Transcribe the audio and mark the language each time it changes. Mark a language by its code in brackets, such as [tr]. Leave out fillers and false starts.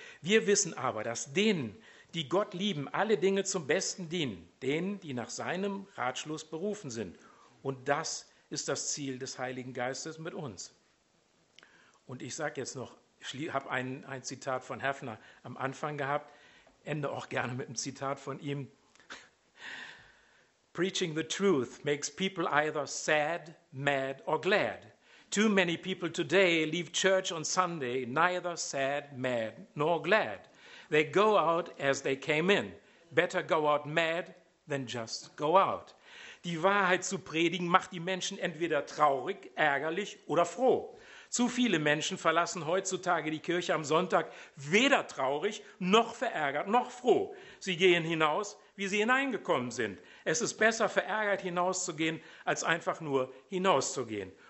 [de] Wir wissen aber, dass denen, die Gott lieben, alle Dinge zum Besten dienen, denen, die nach seinem Ratschluss berufen sind. Und das ist das Ziel des Heiligen Geistes mit uns. Und ich sage jetzt noch, ich habe ein Zitat von Häffner am Anfang gehabt, ende auch gerne mit einem Zitat von ihm. [en] Preaching the truth makes people either sad, mad or glad. Too many people today leave church on Sunday neither sad, mad nor glad. They go out as they came in. Better go out mad than just go out. [de] Die Wahrheit zu predigen macht die Menschen entweder traurig, ärgerlich oder froh. Zu viele Menschen verlassen heutzutage die Kirche am Sonntag weder traurig, noch verärgert, noch froh. Sie gehen hinaus, wie sie hineingekommen sind. Es ist besser, verärgert hinauszugehen, als einfach nur hinauszugehen.